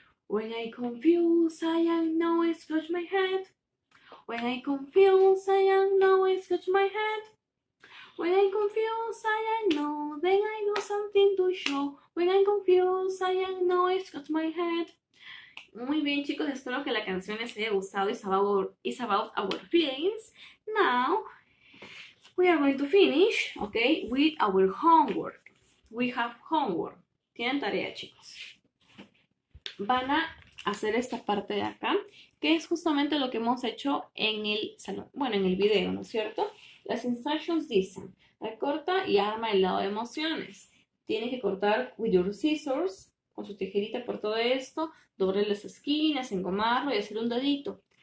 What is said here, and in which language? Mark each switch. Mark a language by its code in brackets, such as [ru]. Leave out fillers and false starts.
[en] When I confuse, I know I scratch my head. When I confuse, I know I scratch my head. When I confuse, I know, then I do something to show. When I confuse, I know I scratch my head. [es] Muy bien, chicos, espero que la canción les haya gustado. [en] It's about our feelings. Now, we are going to finish, okay, with our homework. We have homework. [es] Tienen tarea, chicos. Van a hacer esta parte de acá, que es justamente lo que hemos hecho en el salón. Bueno, en el video, ¿no es cierto? Las instructions dicen, recorta y arma el lado de emociones. Tienes que cortar [en] with your scissors, [es] con su tijerita por todo esto, doblar las esquinas, engomarlo y hacer un dedito.